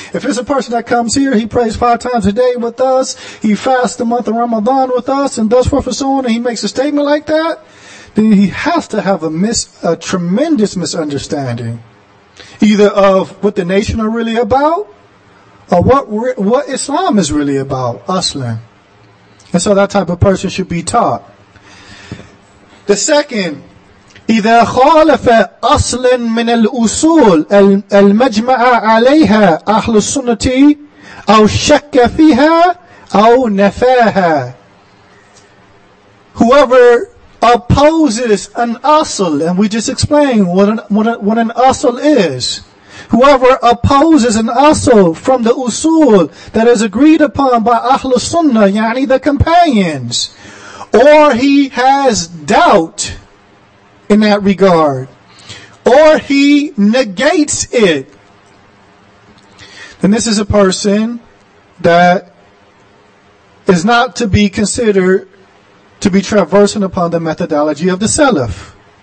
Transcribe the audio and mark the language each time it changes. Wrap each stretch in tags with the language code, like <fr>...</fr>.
<en>If it's a person that comes here, he prays five times a day with us, he fasts the month of Ramadan with us, and thus forth and so on, and he makes a statement like that, then he has to have a tremendous misunderstanding, either of what the nation are really about, or what Islam is really about, Aslan. And so that type of person should be taught. The second,</en> <ar>إذا خالف أصل من الأصول المجمع عليها أهل السنة أو شك فيها أو نفاها.</ar> <en>Whoever opposes an asl, and we just explained what an asl is. Whoever opposes an asl from the usul that is agreed upon by Ahl Sunnah, yani the companions, or he has doubt in that regard, or he negates it, then this is a person that is not to be considered to be traversing upon the methodology of the Salaf.</en>